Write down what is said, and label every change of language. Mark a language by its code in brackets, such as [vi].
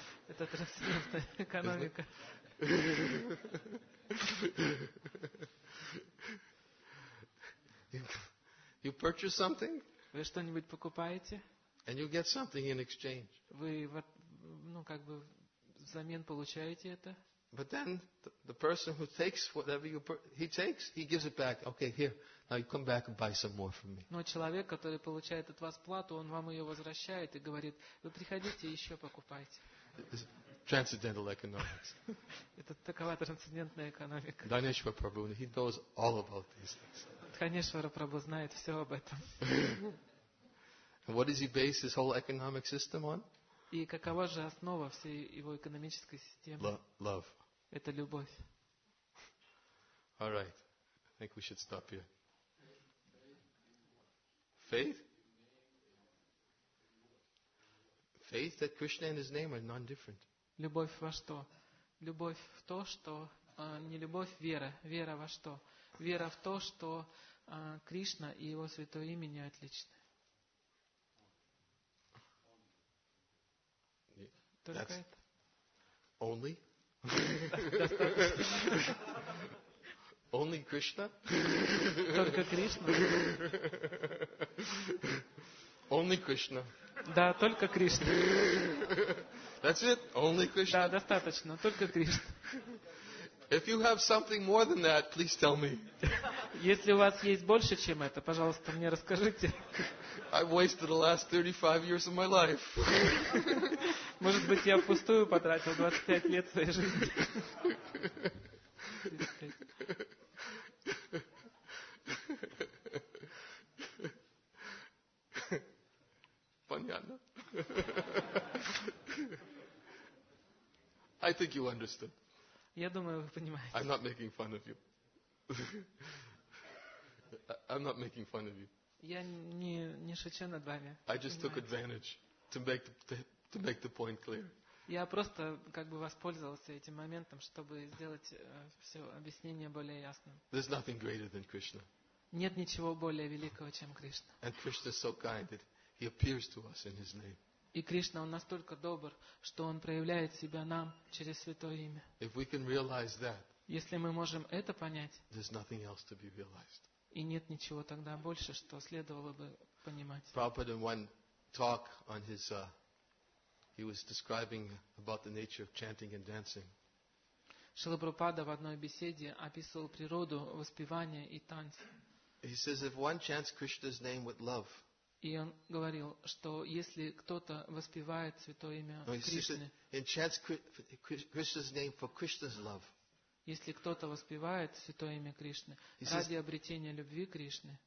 [ru] Это трансцендентная экономика. [en] You purchase something? [ru] Вы что-нибудь покупаете? [en] And you get something in exchange. [ru] Вы, ну, как бы взамен получаете это? [en] But then the person who takes whatever you he takes, he gives it back. Okay, here. Now you come back and buy some more from me. [ru] Но человек, который получает от вас плату, он вам ее возвращает и говорит: вы приходите и еще покупайте. [en] Transcendental economics. [ru] Это такова трансцендентная экономика. [en] Dhaneshwara Prabhu, he knows all about these things. [ru] Dhaneshwara Prabhu знает все об этом. [en] And what does he base his whole economic system on? [ru] И какова же основа всей его экономической системы? [en] Love. [ru] Это любовь. [en] All right. I think we should stop here. Faith? Faith that Krishna and his name are non-different. [ru] Любовь во что? Любовь в то, что... не любовь, вера. Вера во что? Вера в то, что Кришна и его святое имя не отличны. [en] Only? Only Krishna? [ru] Только Кришна? [en] Only Krishna. [ru] Да, только Кришна. [en] That's it. Only Krishna. [ru] Да, достаточно. Только Кришна. [en] If you have something more than that, please tell me. [ru] Если у вас есть больше, чем это, пожалуйста, мне расскажите. [en] I've wasted the last 35 years of my life. [ru] Может быть, я впустую потратил 25 лет своей жизни. Понятно. [en] I think you understood. [ru] Я думаю, вы понимаете. [en] I'm not making fun of you. I'm not making fun of you. [ru] Я не шучу над вами. [en] I just [ru] понимаете? [en] Took advantage to make the point clear. [ru] Я просто как бы воспользовался этим моментом, чтобы сделать все объяснение более ясным. [en] There's nothing greater than Krishna. [ru] Нет ничего более великого, чем Кришна. [en] And Krishna is so kind that he appears to us in his name. [ru] И Кришна, он настолько добр, что он проявляет себя нам через святое имя. [en] If we can realize that. [ru] Если мы можем это понять. [en] There's nothing else to be realized. [ru] И нет ничего тогда больше, что следовало бы понимать. [en] Prabhupada in one talk on his he was describing about the nature of chanting and dancing. [ru] Шрила Прабхупада в одной беседе описывал природу воспевания и танца. [en] He says if one chants Krishna's name with love. [ru] И он говорил, что если кто-то воспевает святое имя Кришны, [en] he chants Krishna's name for Krishna's love. [ru] Если кто-то воспевает святое имя Кришны ради обретения любви Кришны,